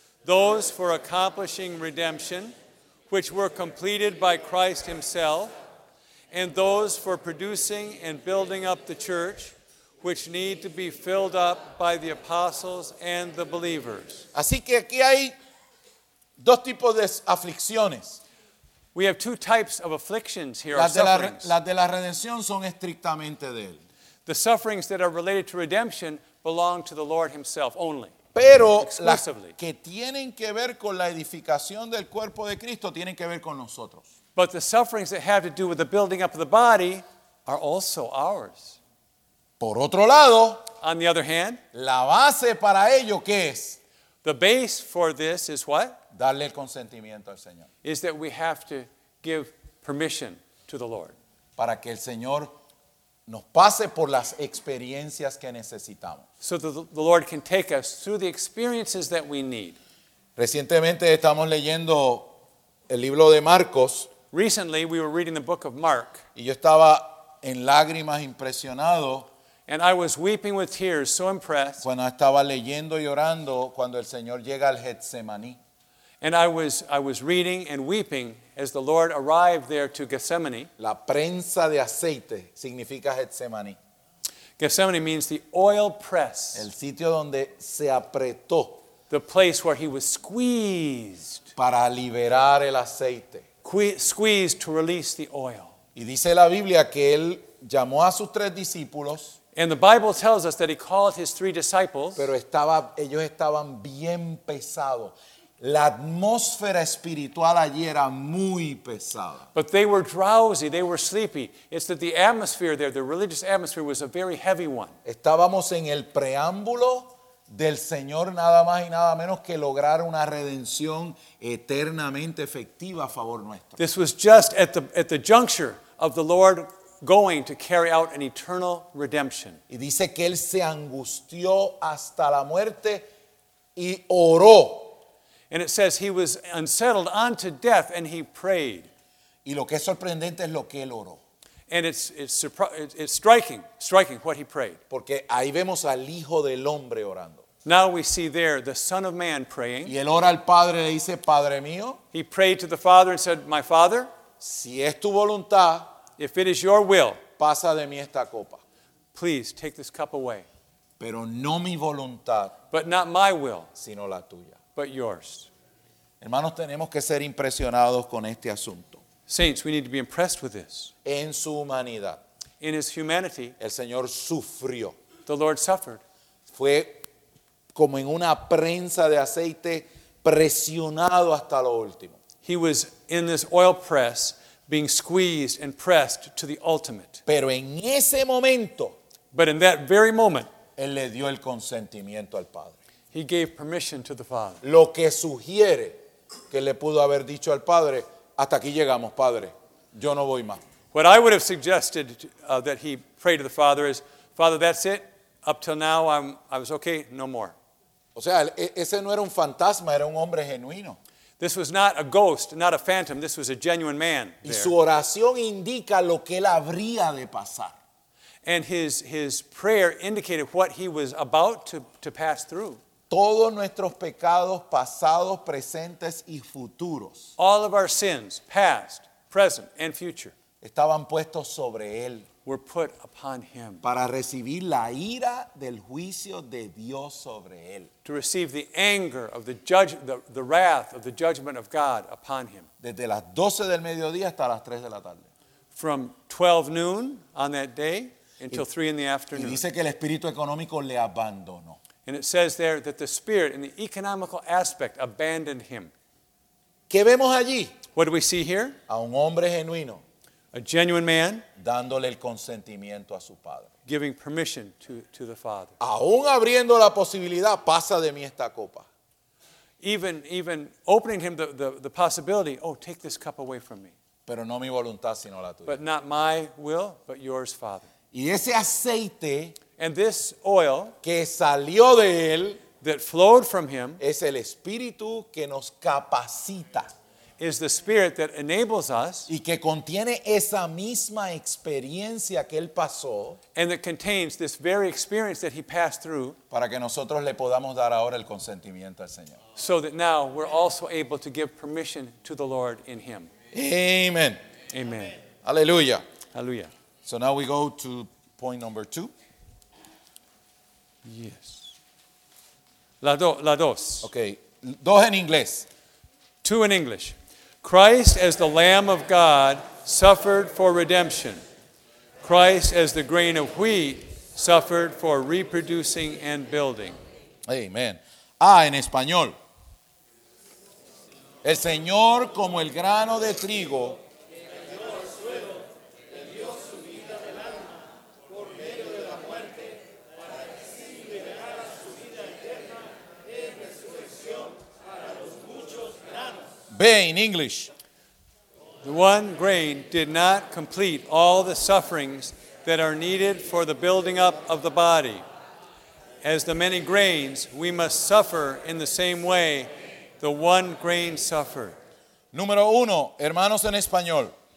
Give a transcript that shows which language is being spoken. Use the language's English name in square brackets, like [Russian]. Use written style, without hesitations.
[English] Those for accomplishing redemption, which were completed by Christ himself, and those for producing and building up the church, which need to be filled up by the apostles and the believers. [Spanish] Así que aquí hay dos tipos de aflicciones. [English] We have two types of afflictions here. [Spanish] Las de la redención son estrictamente de él. [English] The sufferings that are related to redemption belong to the Lord himself only. [Spanish] Pero las que tienen que ver con la edificación del cuerpo de Cristo tienen que ver con nosotros. [English] But the sufferings that have to do with the building up of the body are also ours. [Spanish] Por otro lado, [English] on the other hand, [Spanish] la base para ello, ¿qué es? [English] The base for this is what? [Spanish] Darle el consentimiento al Señor. [English] Is that we have to give permission to the Lord. [Spanish] Para que el Señor nos pase por las experiencias que necesitamos. [English] So the Lord can take us through the experiences that we need. [Spanish] Recientemente estamos leyendo el libro de Marcos. [English] Recently we were reading the book of Mark. [Spanish] Y yo estaba en lágrimas impresionado. [English] And I was weeping with tears, so impressed. [Spanish] Cuando estaba leyendo y orando cuando el Señor llega al Getsemaní. [English] And I was reading and weeping as the Lord arrived there to Gethsemane. [Spanish] La prensa de aceite significa Getsemaní. [English] Gethsemane means the oil press. [Spanish] El sitio donde se apretó. [English] The place where he was squeezed. [Spanish] Para liberar el aceite. [English] Squeezed to release the oil. [Spanish] Y dice la Biblia que él llamó a sus tres discípulos. [English] And the Bible tells us that he called his three disciples. [Spanish] Pero ellos estaban bien pesados. La atmósfera espiritual allí era muy pesada. [English] But they were drowsy, they were sleepy. It's that the atmosphere there, the religious atmosphere, was a very heavy one. [Spanish] Estábamos en el preámbulo del Señor nada más y nada menos que lograr una redención eternamente efectiva a favor nuestro. [English] This was just at the juncture of the Lord going to carry out an eternal redemption. [Spanish] Y dice que él se angustió hasta la muerte y oró. [English] And it says he was unsettled unto death and he prayed. [Spanish] Y lo que es sorprendente es lo que él oró. [English] And it's striking what he prayed. [Spanish] Porque ahí vemos al Hijo del Hombre orando. [English] Now we see there the Son of Man praying. [Spanish] Y él ora al Padre y le dice, Padre mío. [English] He prayed to the Father and said, my Father, [Spanish] si es tu voluntad, [English] if it is your will, [Spanish] pasa de mí esta copa. [English] Please take this cup away. [Spanish] Pero no mi voluntad, [English] but not my will, [Spanish] sino la tuya. [English] But yours. [Spanish] Hermanos, tenemos que ser impresionados con este asunto. [English] Saints, we need to be impressed with this. [Spanish] En su humanidad. [English] In his humanity. [Spanish] El Señor sufrió. [English] The Lord suffered. [Spanish] Fue como en una prensa de aceite presionado hasta lo último. [English] He was in this oil press being squeezed and pressed to the ultimate. [Spanish] Pero en ese momento. [English] But in that very moment. [Spanish] Él le dio el consentimiento al Padre. [English] He gave permission to the Father. [Spanish] Lo que sugiere que le pudo haber dicho al Padre, hasta aquí llegamos, Padre, yo no voy más. [English] What I would have suggested that he prayed to the Father is, Father, that's it. Up till now, I was okay, no more. [Spanish] O sea, ese no era un fantasma, era un hombre genuino. [English] This was not a ghost, not a phantom, this was a genuine man. [Spanish] Y su oración indica lo que él habría de pasar. [English] And his prayer indicated what he was about to pass through. [Spanish] Todos nuestros pecados pasados, presentes y futuros. [English] All of our sins, past, present, and future. [Spanish] Estaban puestos sobre él. [English] Were put upon him. [Spanish] Para recibir la ira del juicio de Dios sobre él. [English] To receive the anger of the wrath of the judgment of God upon him. [Spanish] Desde las 12 del mediodía hasta las 3 de la tarde. [English] From 12 noon on that day until 3 in the afternoon. [Spanish] Y dice que el espíritu económico le abandonó. [English] And it says there that the spirit and the economical aspect abandoned him. [Spanish] ¿Qué vemos allí? [English] What do we see here? [Spanish] A un hombre genuino. [English] A genuine man. [Spanish] Dándole el consentimiento a su padre. [English] Giving permission to the Father. [Spanish] Aún abriendo la posibilidad, pasa de mí esta copa. [English] Even opening him the possibility, oh, take this cup away from me. [Spanish] Pero no mi voluntad, sino la tuya. [English] But not my will, but yours, Father. [Spanish] Y ese aceite, [English] and this oil, [Spanish] que salió de él, [English] that flowed from him, [Spanish] es el espíritu que nos capacita. [English] Is the spirit that enables us, [Spanish] y que contiene esa misma experiencia que él pasó, [English] and that contains this very experience that he passed through, [Spanish] para que nosotros le podamos dar ahora el consentimiento al Señor. [English] So that now we're also able to give permission to the Lord in him. Amen. Amen. Hallelujah. Hallelujah. So now we go to point number two. [Spanish] Yes. La dos. Okay. Dos en inglés. [English] Two in English. Christ as the Lamb of God suffered for redemption. Christ as the grain of wheat suffered for reproducing and building. [Spanish] Amen. En español. El Señor como el grano de trigo. [English] In English, the one grain did not complete all the sufferings that are needed for the building up of the body. As the many grains, we must suffer in the same way the one grain suffered. [Spanish] Número uno, hermanos en español.